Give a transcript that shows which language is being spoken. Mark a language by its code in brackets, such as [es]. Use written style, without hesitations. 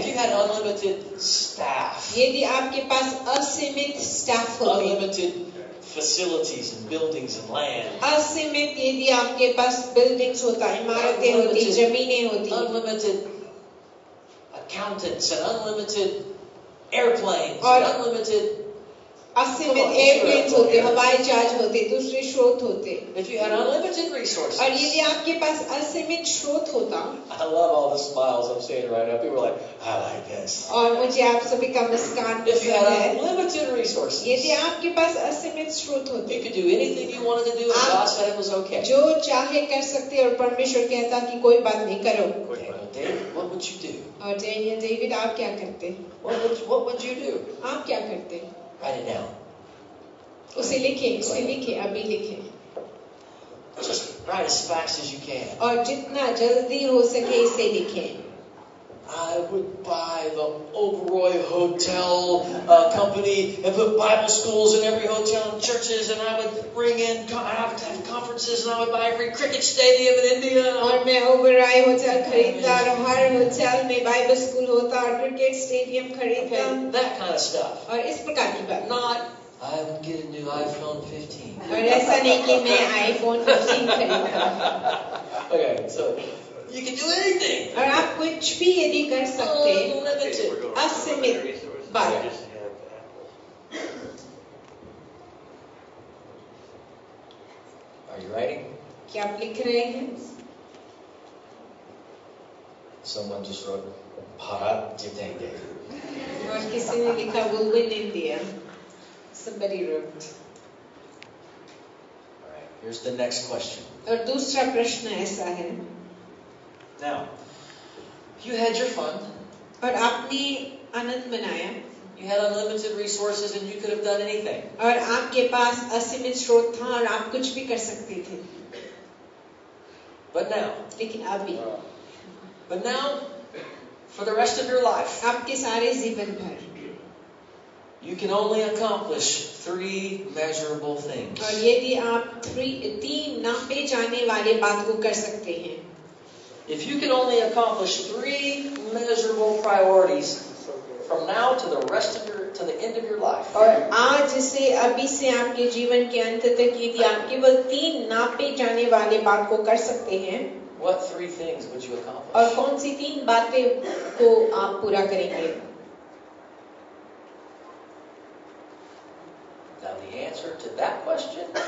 [en] If you had unlimited staff, [hi] यदि आपके पास असीमित स्टाफ होता, [en] unlimited facilities and buildings and land, [hi] असीमित यदि आपके पास buildings होता, इमारतें होती, जमीनें होती, [en] unlimited accountants and unlimited airplanes and unlimited [hi] असीमित एयरप्लेन होते, हवाई जहाज होते, दूसरे स्रोत होते. [en] If you had unlimited resources, [hi] और यदि आपके पास असीमित स्रोत होता. [en] I love all the smiles I'm seeing right now. People are like, I like this. [hi] और मुझे आप सभी का मुस्कान पसंद है. [en] If you had unlimited resources, [hi] यदि आपके पास असीमित स्रोत होते. [en] You could do anything you wanted to do, and God said it was okay. [hi] जो चाहे कर सकते और परमेश्वर कहता कि कोई बात नहीं करो. [en] What would you do? [hi] और डेविड आप क्या करते? [en] What would you do? [hi] आप क्या करते? [en] Write it down. [hi] उसे लिखे, उसे लिखे, अभी लिखे. [en] Just write as fast as you can. [hi] और जितना जल्दी हो सके इसे लिखे. [en] I would buy the Oberoi Hotel company and put Bible schools in every hotel and churches, and I would bring in, I have to have conferences, and I would buy every cricket stadium in India. [hi] और मैं Oberoi Hotel खरीदता और हर hotel में Bible school होता और cricket stadium खरीदता. [en] That kind of stuff. [hi] और इस प्रकार की बात. [en] Not I would get a new iPhone 15. [hi] और ऐसा नहीं कि मैं iPhone 15 खरीदता. [en] Okay, so. You can do anything. [hi] और आप कुछ भी यदि कर सकते हैं असीमित बात. [en] Are you writing? [hi] क्या आप लिख रहे हैं? [en] Someone just wrote [hi] भारत जीतेंगे. और किसी ने लिखा [en] we'll win India. Somebody wrote. Alright, here's the next question. [hi] और दूसरा प्रश्न ऐसा है. [en] Now, you had your fun. [hi] और आपने आनंद मनाया. [en] You had unlimited resources and you could have done anything. [hi] और आपके पास असीमित स्रोत था और आप कुछ भी कर सकते थे. [en] But now. [hi] लेकिन अभी. [en] But now, for the rest of your life. [hi] आपके सारे जीवन भर. [en] You can only accomplish three measurable things. [hi] और यदि आप तीन नापे जाने वाले बात को कर सकते हैं. [en] If you can only accomplish three measurable priorities from now to the rest of your, to the end of your life. [hi] और आज से अभी से आपके जीवन के अंत तक यदि आप केवल तीन नापे जाने वाले बात को कर सकते हैं. [en] What three things would you accomplish? [hi] और कौन सी तीन बातें को आप पूरा करेंगे? [en] Now the answer to that question.